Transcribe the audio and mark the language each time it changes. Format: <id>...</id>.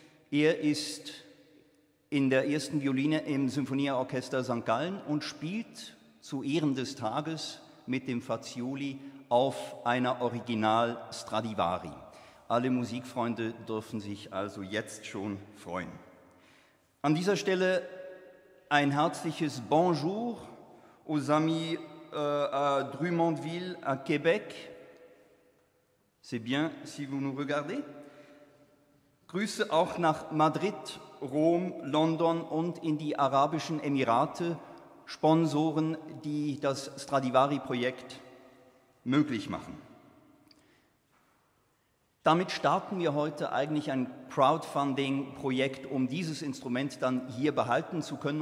<de>Er ist in der ersten Violine im Symphonieorchester St. Gallen und spielt zu Ehren des Tages mit dem Fazioli auf einer Original Stradivari. Alle Musikfreunde dürfen sich also jetzt schon freuen. An dieser Stelle ein herzliches</de> <fr>Bonjour aux amis à Drummondville, à Québec. C'est bien si vous nous regardez.</fr> <de>Grüße auch nach Madrid, Rom, London und in die Arabischen Emirate, Sponsoren, die das Stradivari-Projekt möglich machen. Damit starten wir heute eigentlich ein Crowdfunding-Projekt, um dieses Instrument dann hier behalten zu können.</de>